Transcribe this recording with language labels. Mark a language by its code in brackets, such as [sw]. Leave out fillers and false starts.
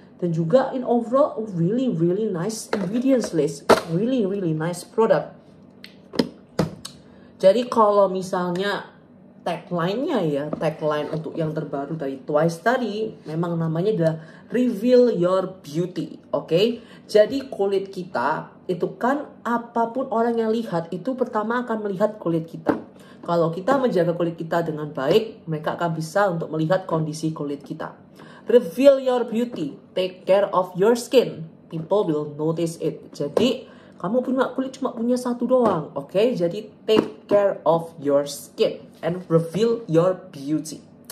[id] Dan juga [en] in overall really really nice ingredients list, really really nice product. [id] Jadi kalau misalnya tagline-nya ya, tagline untuk yang terbaru dari Twice tadi, memang namanya adalah Reveal Your Beauty, oke? Okay? Jadi kulit kita, itu kan apapun orang yang lihat, itu pertama akan melihat kulit kita. Kalau kita menjaga kulit kita dengan baik, mereka akan bisa untuk melihat kondisi kulit kita. [en] Reveal Your Beauty, take care of your skin, people will notice it. [id] Jadi, kamu punya kulit cuma punya satu doang, oke? [en] Okay? Jadi, take care of your skin and reveal your beauty.